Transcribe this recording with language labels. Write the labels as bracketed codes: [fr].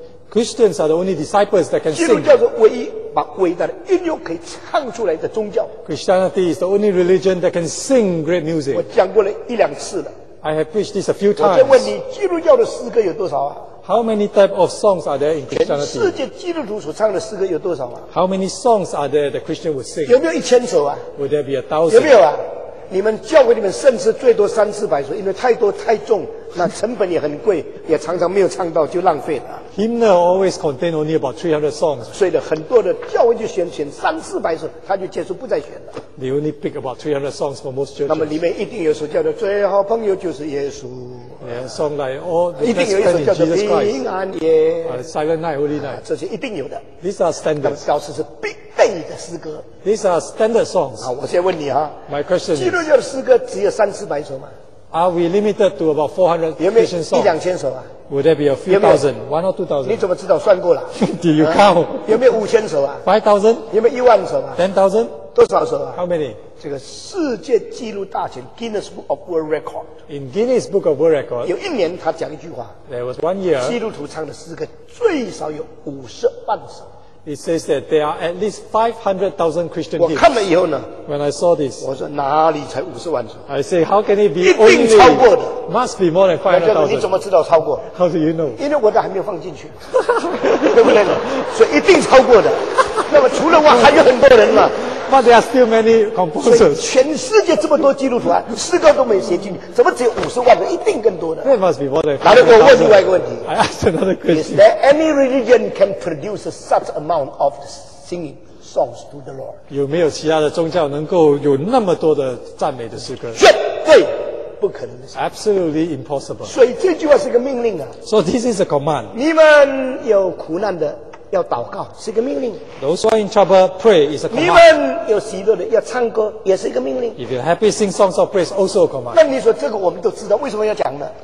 [en] Christians are the only disciples that can sing. [zh] 把伟大的音乐可以唱出来的宗教。 [en] Christianity is the only religion that can sing great music. [zh] 我讲过了一两次了。 [en] I have preached this a few times. [zh] 我再问你，基督教的诗歌有多少啊？ [en] How many type of songs are there in Christianity? [zh] 全世界基督徒所唱的诗歌有多少啊？ [en] How many songs are there that Christian would sing? [zh] 有没有1000首啊？ [en] Would there be 1000? [zh] 有没有啊？你们教会里面圣诗最多3-400首， 因为太多太重， 那成本也很贵， 也常常没有唱到就浪费了。 [en] Hymnal always contain only about 300 songs. [zh] 所以很多的教会就选3-400首， 他就结束不再选了。 [en] They only pick about 300 songs for most churches. [zh] 那么里面一定有首叫做最好朋友就是耶稣。 [en] Yeah, song like All the Best Friend is Jesus Christ. Silent Night, Holy Night. [zh] 这些一定有的。 [en] These are standards. [zh] 但是是必备的诗歌。 [en] These are standard songs. [zh] 好，我先问你啊。 [en] My question is, [zh] 基督教的诗歌只有3-400首吗？ [en] Are we limited to about 400 Christian songs? [zh] 一两千首啊。 [en] Would there be a few thousand? 1 or 2 thousand? [zh] 你怎么知道算过了？ [en] Do you count? [zh] 有没有5000首啊？ [en] 5000? [zh] 有没有10000首啊？ [en] 10,000? [zh] 多少首啊？ [en] How many? [zh] 这个世界纪录大全 [en] Guinness Book of World Record. In Guinness Book of World Record, [zh] 有一年他讲一句话。 [en] There was one year, [zh] 基督徒唱的诗歌最少有50万首。 [en] It says that there are at least 500,000 Christian hymns. [zh] 我看了以后呢, [en] when I saw this, [zh] 我说哪里才50万首? [en] I say, how can it be only? [zh] 一定超过的, [en] must be more than 500,000. [zh] 你怎么知道超过? [en] How do you know? [zh] 因为我的还没有放进去。对不对?所以一定超过的。那么除了我还有很多人嘛。 [en] But there are still many composers. [zh] 全世界这么多基督徒啊, 诗歌都没写进去, 怎么只有50万人, 一定更多的。 [en] That must be more than [zh] 50,000。来了，我问另外一个问题。 [en] I asked another question. Is there any religion can produce such amount of singing songs to the Lord? [zh] 有没有其他的宗教能够有那么多的赞美的诗歌? 绝对不可能的。 [en] Absolutely impossible. [zh] 所以这句话是个命令啊。 [en] So this is a command. [zh] 你们有苦难的, 要祷告, 是一个命令。 [en] Those who are in trouble, pray is a command. [zh] 你们有喜乐的, 要唱歌, 也是一个命令。 [en] If you're happy, sing songs of praise, also a command. [zh] 那你说这个我们都知道, 为什么要讲呢?